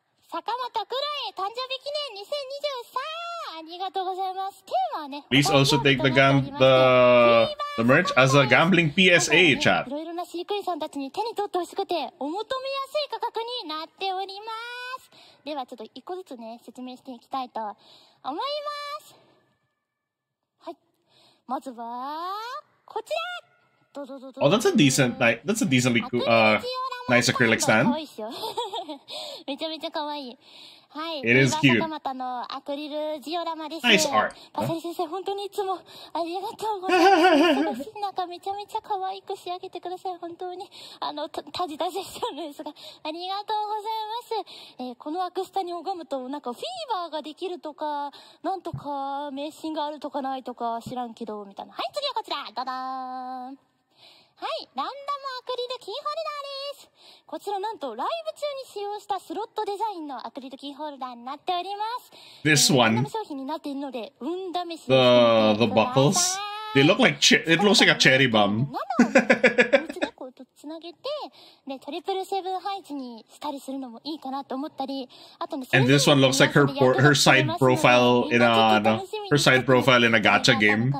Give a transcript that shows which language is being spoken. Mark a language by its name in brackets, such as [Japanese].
[Japanese] 坂本クロエ誕生日記念2023。ありがとうございます。テーマはね、 [English] Please also take the merch as a gambling PSA chat. [Japanese] いろいろな飼育員さんたちに手に取ってほしくて、お求めやすい価格になっております。ではちょっと一個ずつね、説明していきたいと思います。はい。まずは、こちら。どうぞどうぞ。 [English] Oh, that's a decent, like, that's a decently cool, nice acrylic stand. [Japanese] めちゃめちゃかわいい。はい、 [English] It is cute. [Japanese] 坂本のアクリルジオラマです。 [English] Nice art. [Japanese] パサリ先生、本当にいつもありがとうございます。忙しい中、めちゃめちゃ可愛く仕上げてください。本当に、タジタジしたんですが、ありがとうございます。このアクスタに拝むと、なんかフィーバーができるとか、なんとか、迷信があるとかないとか、知らんけど、みたいな。はい、次はこちら。ダダーン。はい、ランダムアクリルキーホルダーです。こちらなんとライブ中に使用したスロットデザインのアクリルキーホルダーになっております。 [English] This one. [Japanese] ランダム商品になっているので、運試しに。 [English] The buckles. They look like it looks like a cherry bomb. [Japanese] 7を3つ猫とつなげて、で、トリプルセブン配置にしたりするのもいいかなと思ったり、あとね、 [English] And this one looks like her side profile in a gacha game.